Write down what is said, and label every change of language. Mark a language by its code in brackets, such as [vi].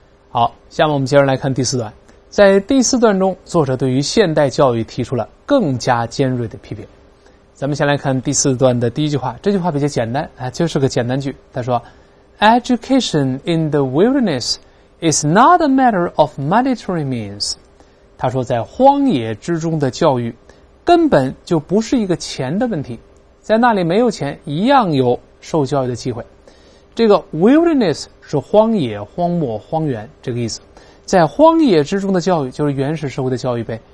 [zh] 好，下面我们接着来看第四段。在第四段中，作者对于现代教育提出了更加尖锐的批评。咱们先来看第四段的第一句话，这句话比较简单，就是个简单句。他说 [en] Education in the wilderness is not a matter of monetary means. [zh] 他说在荒野之中的教育根本就不是一个钱的问题，在那里没有钱一样有受教育的机会。这个 wilderness 是荒野、荒漠、荒原这个意思，在荒野之中的教育就是原始社会的教育呗。